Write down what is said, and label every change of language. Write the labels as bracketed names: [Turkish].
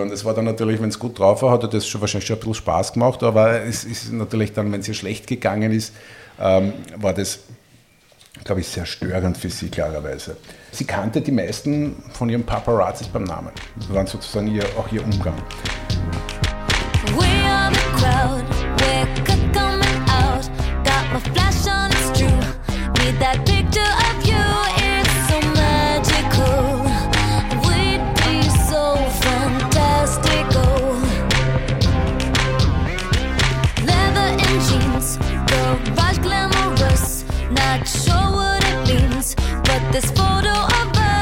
[German] Und es war dann natürlich, wenn es gut drauf war, hat er das schon wahrscheinlich schon ein bisschen Spaß gemacht. Aber es ist natürlich dann, wenn es ihr schlecht gegangen ist, war das, glaube ich, sehr störend für sie, klarerweise. Sie kannte die meisten von ihren Paparazzis beim Namen. Das waren sozusagen ihr Umgang. [English] We are the crowd, we're good coming out. Got my flash on, it's true. Need that picture of you, it's so magical. We'd be so fantastical. Leather and jeans, garage glamorous. Not sure what it means, but this photo of